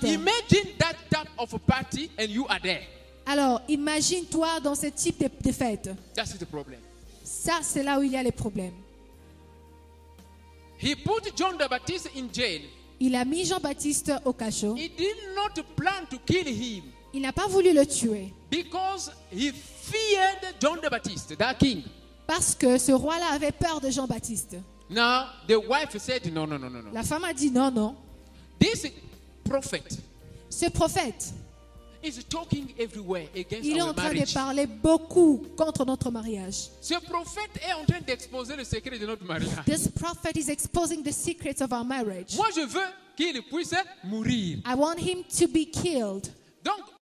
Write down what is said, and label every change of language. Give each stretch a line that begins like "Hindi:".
English: Now, imagine that type of party and you are there.
French: Alors, imagine-toi dans ce type de fête.
English: That's the problem.
French: Ça, c'est là où il y a les problèmes.
English: He put John the Baptist in jail.
French: Il a mis Jean-Baptiste au cachot.
English: He did not plan to kill him.
French: Il n'a pas voulu le tuer.
English: Because he feared John the Baptist, that king.
French: Parce que ce roi-là avait peur de Jean-Baptiste.
English: Now the wife said no.
French: La femme a dit non non.
English: This prophet.
French: Ce prophète.
English: Is talking everywhere against our marriage.
French: Il est en train de parler beaucoup contre notre mariage. Ce prophète est en train d'exposer le secret de notre mariage.
English: This prophet is exposing the secrets of our marriage.
French: Moi je veux qu'il puisse mourir.
English: I want him to be killed.
French: Donc,